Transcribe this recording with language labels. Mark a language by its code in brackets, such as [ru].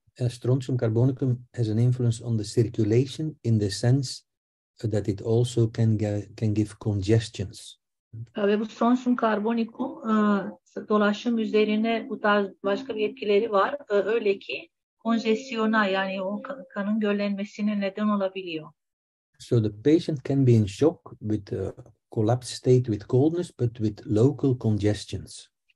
[en] Strontium carbonicum has an influence on the circulation in the sense that it also can give congestions. [tr] Ve bu strontium carbonicum dolaşım üzerine bu tarz başka bir etkileri var. Öyle ki konjesyona yani o kanın göllenmesine neden olabiliyor. [en] So the patient can be in shock with collapsed state with coldness but with local congestions.